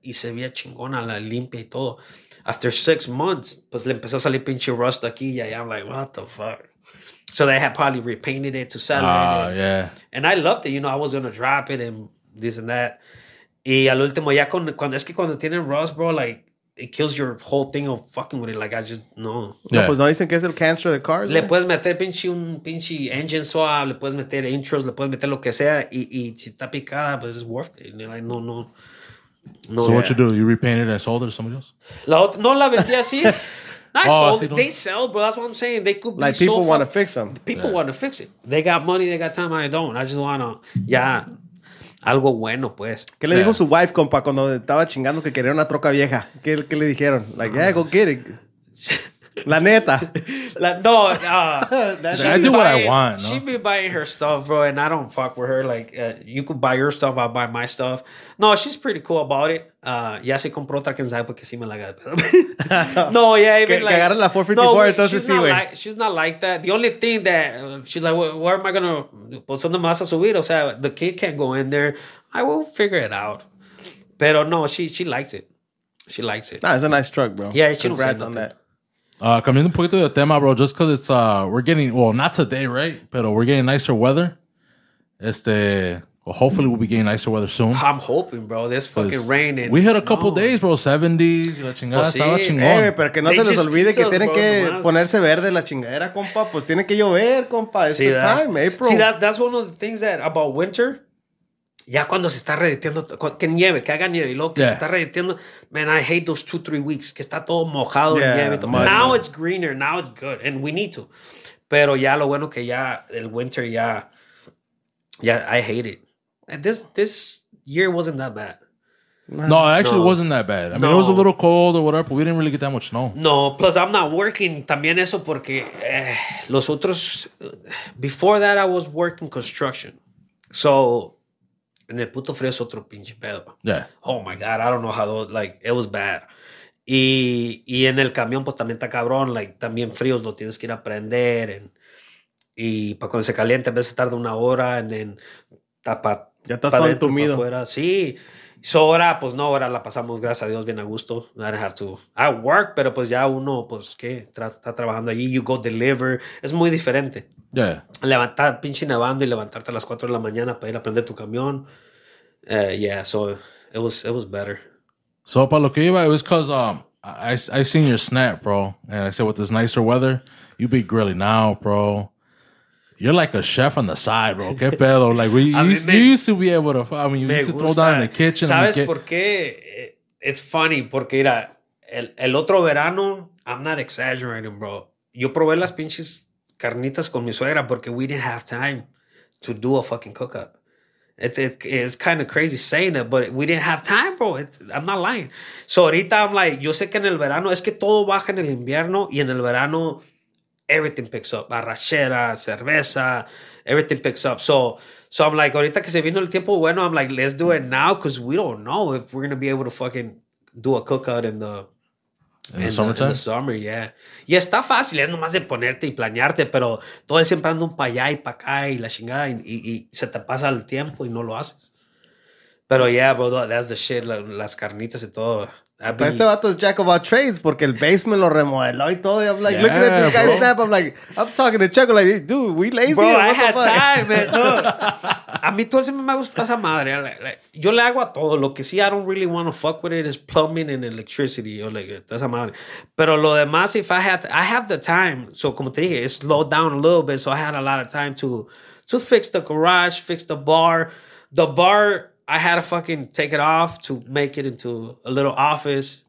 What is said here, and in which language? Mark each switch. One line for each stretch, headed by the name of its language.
Spanish: Y se veía chingona, la limpia y todo.
English: After 6 months,
Spanish: pues le empezó a salir pinche rust aquí.
English: Y I'm like, what the fuck? So they had probably repainted it to sell it. And I loved it. You know, I was going to drop it and this and that.
Spanish: Y al último, ya cuando es que cuando tienen
English: rust, bro, like, it kills your whole thing of fucking with it. Like, I just, no.
Spanish: Yeah. No, pues no dicen que es el
English: cancer of the cars.
Spanish: Le puedes meter pinche
English: engine swap,
Spanish: le puedes meter intros, le puedes meter lo que sea, y si está picada, pues
English: it's worth it. And they're like, no. So what you do? You repainted and sold it to somebody else?
Spanish: No, la vendí así.
English: They sell, bro. That's what I'm saying. They could be like, people want to fix them. People want to fix it. They got money, they got time, I don't. I just want to,
Spanish: algo bueno, pues. ¿Qué le dijo su wife, compa, cuando estaba chingando que quería una troca vieja? ¿Qué le dijeron?
English: Like, yeah, go get it.
Spanish: La neta.
English: I do what I want. No? She'd be buying her stuff, bro, and I don't fuck with her. Like, you could buy your stuff, I'll buy my stuff. No, she's pretty cool about it.
Spanish: Ya se compró otra que sabe porque sí me la haga.
English: No, yeah, even
Spanish: que agarra la 454, no, entonces sí, güey.
English: She's not like that. The only thing that, she's like, where am I going to,
Spanish: pues, ¿dónde me vas a subir? O sea,
English: the kid can't go in there. I will figure it out.
Spanish: Pero no,
English: she likes it. She likes it. Nah, it's a nice truck, bro. Yeah, she congrats don't say on that.
Spanish: Cambiando un poquito de tema,
English: bro, just because it's, we're getting, well, not today, right? Pero we're getting nicer weather. Well, hopefully we'll be getting nicer weather soon. I'm hoping, bro. This fucking rain. We hit a couple days, bro. 70s.
Spanish: La chingada estaba chingón. Pero que no se les olvide que tienen que ponerse verde la chingadera, compa. Pues tiene que llover, compa.
English: It's the time, April. See, that's one of the things that about winter.
Spanish: Ya cuando se está reditiendo, que nieve, que haga nieve y luego que se está reditiendo.
English: Man, I hate those 2-3 weeks,
Spanish: que está todo mojado en nieve.
English: Now it's greener, now it's good, and we need to.
Spanish: Pero ya lo bueno que ya el winter ya,
English: I hate it. And this year wasn't that bad. No, it actually wasn't that bad. I mean, it was a little cold or whatever, but we didn't really get that much snow. No, plus I'm not working.
Spanish: También eso porque los otros...
English: Before that, I was working construction.
Spanish: So, en el puto frío es otro pinche pedo.
English: Yeah. Oh, my God. I don't know how those... Like, it was bad.
Spanish: Y en el camión, pues también está cabrón. Like, también fríos lo tienes que ir a prender. Y para cuando se caliente, a veces tarda una hora.
English: And then,
Spanish: ya estás todo entumido. Sí. So ahora, pues no, ahora la pasamos, gracias a Dios, bien a gusto.
English: I don't have to. I work,
Spanish: pero pues ya uno, pues qué, está trabajando allí.
English: You go deliver.
Spanish: Es muy diferente.
English: Yeah.
Spanish: Levantar, pinche nevando y levantarte a las 4 de la mañana para ir a prender tu camión.
English: Yeah, so it was better. So
Spanish: para lo que iba,
English: it was because I seen your snap, bro. And I said, with this nicer weather, you be grilling now, bro. You're like a chef on the side, bro.
Spanish: Qué pedo.
English: Like, you used to throw down in the kitchen.
Spanish: ¿Sabes por qué?
English: It's funny,
Spanish: porque mira, el otro verano,
English: I'm not exaggerating, bro.
Spanish: Yo probé las pinches carnitas con mi suegra porque
English: we didn't have time to do a fucking cookout. It's kind of crazy saying it, but we didn't have time, bro. I'm not lying. So
Spanish: ahorita
English: I'm like,
Spanish: yo sé que en el verano, es que todo baja en el invierno y en el verano...
English: Everything picks up. Arrachera, cerveza, everything picks up. So I'm like,
Spanish: ahorita que se vino el tiempo bueno,
English: I'm like, let's do it now because we don't know if we're going to be able to fucking do a cookout in the summertime. In the summer, yeah.
Spanish: Y está fácil, es nomás de ponerte y planearte, pero todo siempre ando un pa' allá y pa' acá y la chingada y se te pasa el tiempo y no lo haces.
English: Pero yeah, bro, that's the shit,
Spanish: las carnitas y todo. Este vato es
English: jack of all trades
Spanish: porque el basement lo remodeló y todo.
English: I'm like, looking at this guy snap. I'm like, I'm talking to Chuck. Like, dude, we lazy? Bro, I had time, man. No.
Spanish: A mí todo siempre me gusta esa madre. Yo le hago a todo. Lo que sí,
English: I don't really want to fuck with it is plumbing and electricity.
Spanish: Yo le hago esa madre. Pero lo demás,
English: if I had, I have the time. So,
Spanish: como te dije,
English: it slowed down a little bit. So, I had a lot of time to fix the garage, fix the bar. The bar... I had to fucking take it off to make it into a little office.